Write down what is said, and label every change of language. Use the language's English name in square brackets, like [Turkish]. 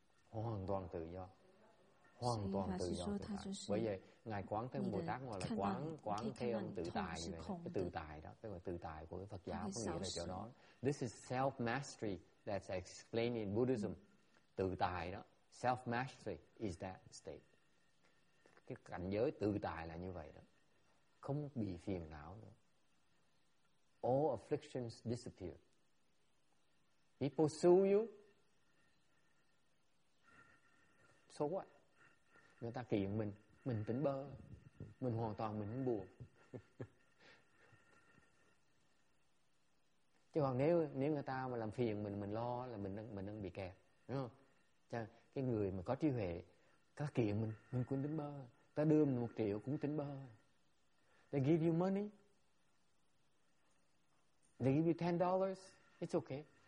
[Vietnamese] Hoàn toàn tự do. Hoàn toàn tự do. Bởi vậy, ngài quán thế Bồ Tát gọi là quán thế ông tự tài này, cái tự tài đó, tức là tự tài của cái Phật giáo có nghĩa là chỗ đó. [English] This is self mastery that's explained in Buddhism. [Vietnamese] Tự tài đó, [English] self mastery is that state. [Vietnamese] Cái cảnh giới tự tài là như vậy đó, không bị phiền não nữa. [English] All afflictions disappear. People sue you. So what? [Vietnamese] Người ta kiện mình tỉnh bơ, mình hoàn toàn mình không buồn. Chứ còn nếu người ta mà làm phiền mình lo là mình đang bị kẹt, đúng không? Cho cái người mà có trí huệ, có kiện mình cũng tỉnh bơ, ta đưa mình 1 triệu cũng tỉnh bơ. [English] They give you money, they give you $10, it's okay.